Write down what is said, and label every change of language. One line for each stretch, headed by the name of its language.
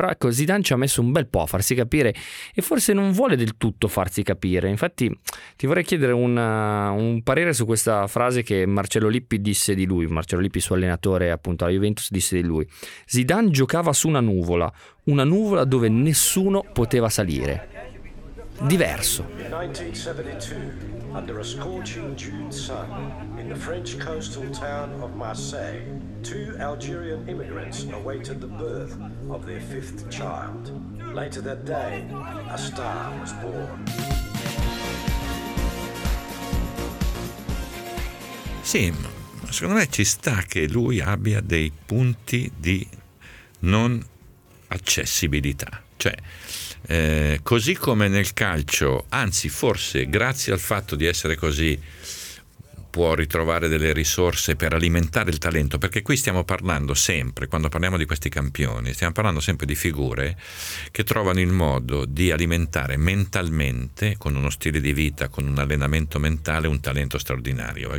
Italian: Però ecco, Zidane ci ha messo un bel po' a farsi capire e forse non vuole del tutto farsi capire. Infatti ti vorrei chiedere un parere su questa frase che Marcello Lippi disse di lui. Marcello Lippi, suo allenatore appunto alla Juventus, disse di lui: Zidane giocava su una nuvola dove nessuno poteva salire. Diverso.
English: 1972, under a scorching June sun, in the French coastal town of Marseille, two Algerian immigrants awaited the birth of their fifth child. Later that day, a star was born.
Italian: Sì, secondo me ci sta che lui abbia dei punti di non accessibilità. Cioè, così come nel calcio, anzi forse grazie al fatto di essere così può ritrovare delle risorse per alimentare il talento, perché qui stiamo parlando sempre, quando parliamo di questi campioni, stiamo parlando sempre di figure che trovano il modo di alimentare mentalmente, con uno stile di vita, con un allenamento mentale, un talento straordinario.